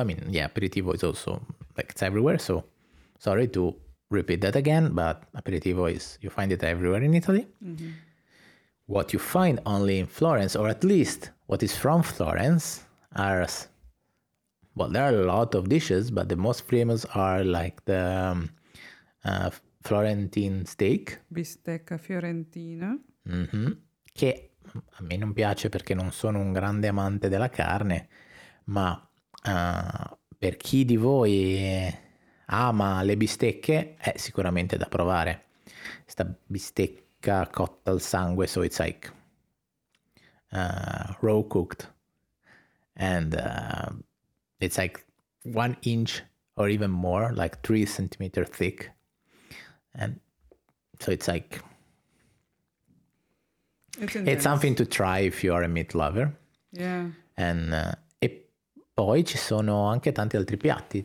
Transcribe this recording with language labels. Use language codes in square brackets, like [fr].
[en] I mean, yeah, aperitivo is also like it's everywhere. So sorry to repeat that again, but aperitivo is you find it everywhere in Italy. What you find only in Florence, or at least what is from Florence, are well, there are a lot of dishes, but the most famous are like the Florentine steak. [it] Bistecca fiorentina. Che a me non piace perché non sono un grande amante della carne, ma per chi di voi ama le bistecche, è sicuramente da provare. Questa bistecca cotta al sangue, [en] so it's like raw cooked, and it's like 1 inch or even more, like 3 centimeter thick, and so it's like. It's It's something intense. to try if you are a meat lover. Yeah. [it] E poi ci sono anche tanti altri piatti.